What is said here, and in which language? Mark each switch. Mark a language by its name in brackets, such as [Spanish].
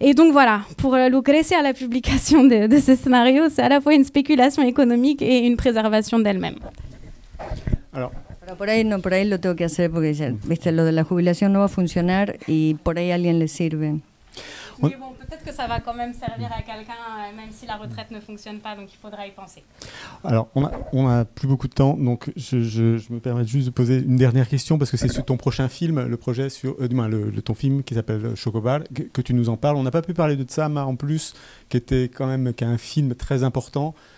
[French] Et donc voilà, pour Lucrecia, la publication de ces scénarios, c'est à la fois une spéculation économique et une préservation d'elle-même. Alors. [Spanish] Por ahí lo tengo que hacer, porque viste, lo de la jubilación no va a funcionar y por ahí a alguien le sirve. [French] Mais bon, peut-être peut-être que ça va quand même servir à quelqu'un, même si la retraite ne fonctionne pas, donc il faudra y penser. Alors, on a plus beaucoup de temps, donc je me permets juste de poser une dernière question, parce que c'est sur ton prochain film, le projet sur ton film qui s'appelle Chocobal, que tu nous en parles. On n'a pas pu parler de Tsama en plus, qui est un film très important.